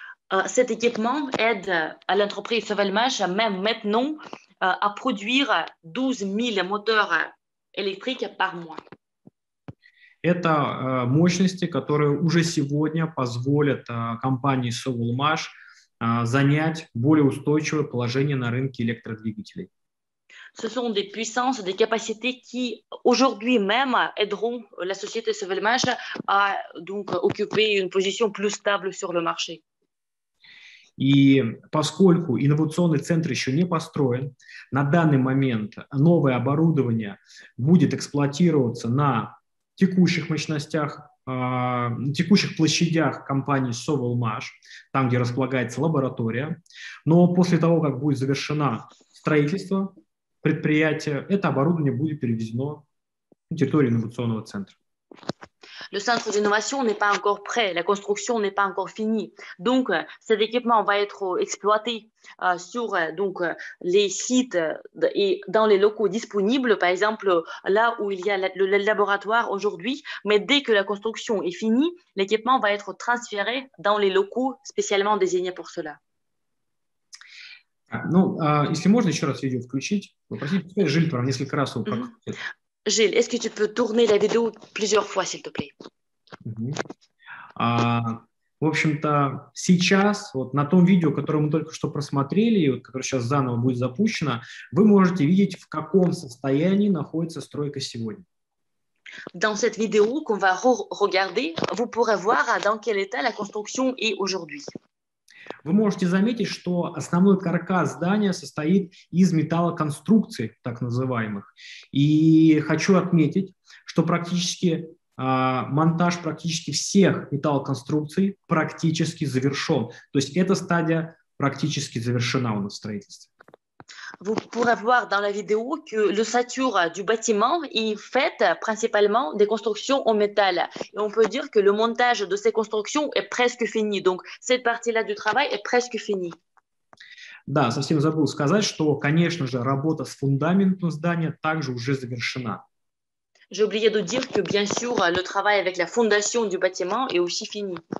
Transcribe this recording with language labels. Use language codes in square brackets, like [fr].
[fr] Cet équipement aide à l'entreprise Sovelmash même maintenant à produire 12 000 moteurs électriques par mois. [ru] Это мощности, которые уже сегодня позволят компании Sovelmash занять более устойчивое положение на рынке электродвигателей. [fr] Ce sont des puissances, des capacités qui aujourd'hui même aideront la société Sovelmash à donc occuper une position plus stable sur le marché. [ru] И поскольку инновационный центр еще не построен, на данный момент новое оборудование будет эксплуатироваться на текущих мощностях, текущих площадях компании Sovelmash, там, где располагается лаборатория. Но после того, как будет завершено строительство предприятия, это оборудование будет перевезено на территорию инновационного центра. [fr] Le centre d'innovation n'est pas encore prêt, la construction n'est pas encore finie. Donc, cet équipement va être exploité sur donc, les sites et dans les locaux disponibles, par exemple là où il y a le laboratoire aujourd'hui. Mais dès que la construction est finie, l'équipement va être transféré dans les locaux spécialement désignés pour cela. [ru] Ну, если можно еще раз видео включить, попросите Жиль про несколько раз. [fr] Gilles, est-ce que tu peux tourner la vidéo plusieurs fois, s'il te plaît? [ru] В общем-то, сейчас, вот на том видео, которое мы только что просмотрели, вот, которое сейчас заново будет запущено, вы можете видеть, в каком состоянии находится стройка сегодня. [fr] Dans cette vidéo qu'on va regarder, vous pourrez voir dans quel état la construction est aujourd'hui. [ru] Вы можете заметить, что основной каркас здания состоит из металлоконструкций, так называемых. И хочу отметить, что практически монтаж практически всех металлоконструкций практически завершен. То есть эта стадия практически завершена у нас в строительстве. [fr] Vous pourrez voir dans la vidéo que l'ossature du bâtiment est faite principalement des constructions en métal. Et on peut dire que le montage de ces constructions est presque fini. Donc, cette partie-là du travail est presque finie. [ru] Да, совсем забыл сказать, что, конечно же, работа с фундаментом здания также уже завершена. [fr] J'ai oublié de dire que, bien sûr, le travail avec la fondation du bâtiment est aussi fini.